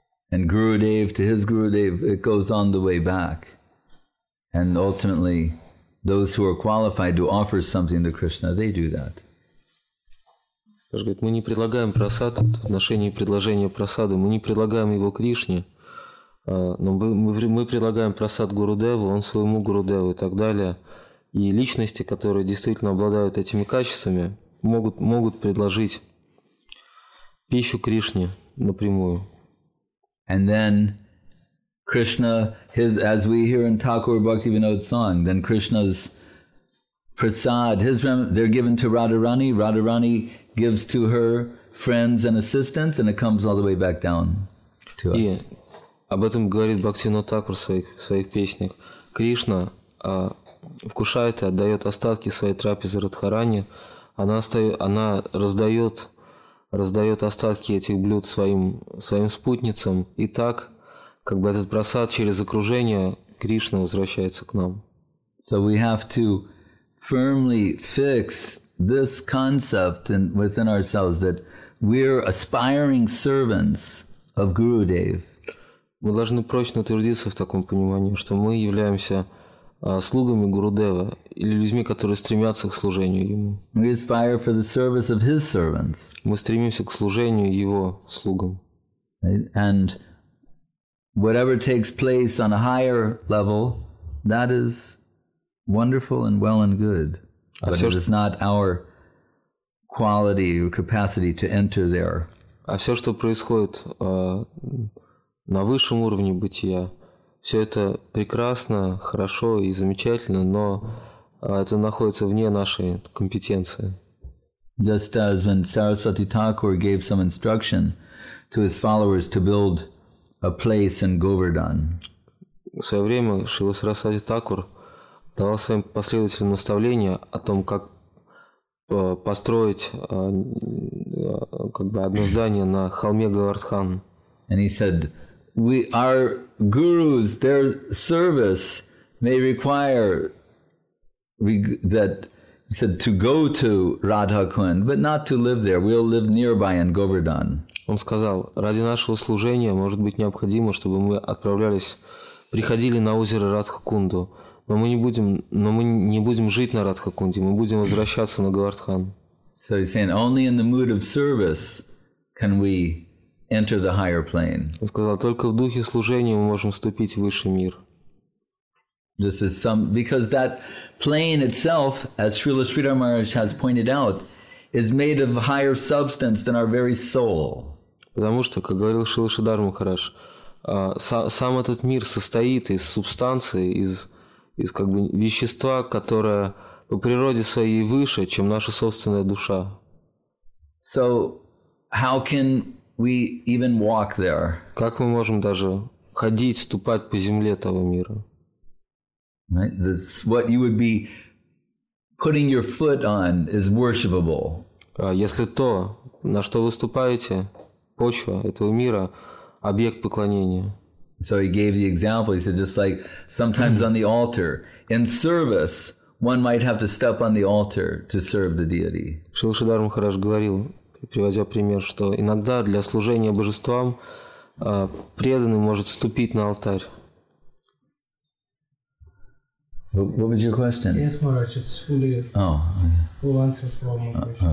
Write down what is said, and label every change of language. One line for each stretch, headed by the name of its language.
English: And Gurudev to his Gurudev, it goes on the way back. And ultimately, those who are qualified to offer something to Krishna, they do that.
Russian: Он говорит, мы не предлагаем прасад в отношении предложения прасады, мы не предлагаем его Кришне, но мы предлагаем прасад Гурудеву, он своему Гурудеву и так далее. И личности, которые действительно обладают этими качествами, могут предложить пищу Кришне напрямую.
English: And then Krishna, his, as we hear in Thakur Bhaktivinoda's song, then Krishna's prasad, his they're given to Radharani, Radharani gives to her friends and assistants, and it comes all the way back down to us.
Russian: И об этом говорит Бхактивинода Тхакур в своих песнях. Кришна вкушает и отдает остатки своей трапезы Радхарани, она раздает остатки этих блюд своим спутницам, и так, как бы этот просад через окружение Кришны возвращается к нам.
English: So we have to firmly fix this concept within ourselves that we're aspiring servants of Gurudev.
Russian: Мы должны прочно утвердиться в таком понимании, что мы являемся слугами Гурудева или людьми, которые стремятся к служению ему.
English: We aspire for the service of his servants.
Russian: Мы стремимся к служению его слугам.
English: And whatever takes place on a higher level, that is wonderful and well and good. But it is not our quality or capacity to enter there.
Russian: А все, что происходит на высшем уровне бытия, все это прекрасно, хорошо и замечательно, но это находится вне нашей компетенции.
English: Just as when Saraswati Thakur gave some instruction to his followers to build a place in Govardhan.
Russian: В свое время Шрила Сарасвати Такур давал своим последователям наставление о том, как построить как бы одно здание на холме Говардхан.
English: And he said, "We our gurus, their service may require that." He said, "To go to Radhakund, but not to live there. We'll live nearby in Govardhan."
Russian: Он сказал, ради нашего служения может быть необходимо, чтобы мы отправлялись, приходили на озеро Радхакунду, но мы не будем, жить на Радхакунде, мы будем возвращаться на Говардхан.
English: So he's saying, only in the mood of service can we enter the higher plane.
Russian: Он сказал, только в духе служения мы можем вступить в высший мир.
English: This is some because that plane itself, as Srila Sridhar Maharaj has pointed out, is made of higher substance than our very soul.
Russian: Потому что, как говорил Шрила Шридхар Махарадж, сам этот мир состоит из субстанции, из как бы вещества, которое по природе своей выше, чем наша собственная душа.
English: So, how can we even walk there?
Russian: Как мы можем даже ходить, ступать по земле того мира?
English: Right? This what you would be putting your foot on is worshipable.
Russian: Если то, на что вы ступаете, почва этого мира, объект поклонения.
English: So he gave the example. He said, just like sometimes on the altar, in service, one might have to step on the altar to serve the deity.
Russian: Шрила Шридхар Махарадж говорил, приводя пример, что иногда для служения божествам преданный может ступить на алтарь.
English: What was your question? Yes, Maharaj, it's fully full answer for all my questions.